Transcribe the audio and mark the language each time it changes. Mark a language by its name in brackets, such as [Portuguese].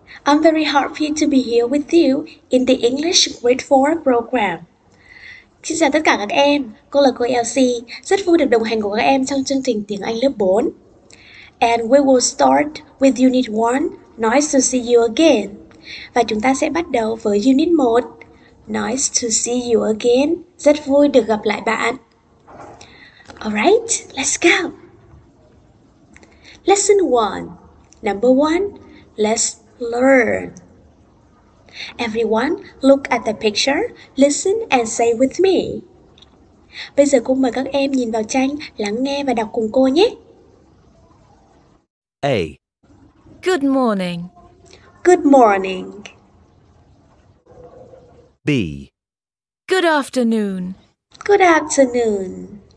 [English] I'm very happy to be here with you in the English Grade 4 program. [Vietnamese] Xin chào tất cả các em, cô là cô Elsie, rất vui được đồng hành cùng các em trong chương trình tiếng Anh lớp 4. [English] And we will start with Unit 1, Nice to see you again. [Vietnamese] Và chúng ta sẽ bắt đầu với Unit 1, [English] Nice to see you again, [Vietnamese] rất vui được gặp lại bạn. [English] Alright, let's go! Lesson 1. Number 1. Let's learn. Everyone, look at the picture, listen and say with me. [Vietnamese] Bây giờ cô mời các em nhìn vào tranh, lắng nghe và đọc cùng cô nhé. [English] A. Good morning. Good morning. B. Good afternoon. Good afternoon.